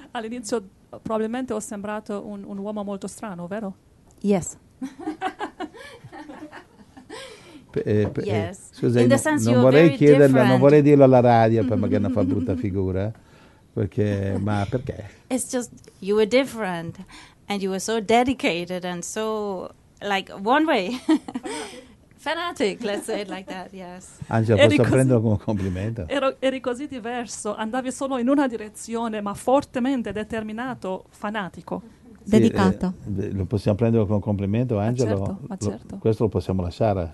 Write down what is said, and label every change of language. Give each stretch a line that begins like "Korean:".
Italian: All'inizio probabilmente ho sembrato un uomo molto strano, vero?
English: Yes. Yes.
Italian: Scusa,
English: in the sense
Italian: non vorrei chiederlo, different. Non vorrei dirlo alla radio per magari una fa brutta figura, perché ma perché?
English: It's just you were different and you were so dedicated and so like one way fanatic, let's say it like that. Yes.
Italian: Angela, posso prenderlo come complimento? Eri così diverso, andavi solo in una direzione, ma fortemente determinato, fanatico. Dedicato. Sì, lo possiamo prendere come complimento, Angelo? Ma certo, ma certo. Questo lo possiamo lasciare.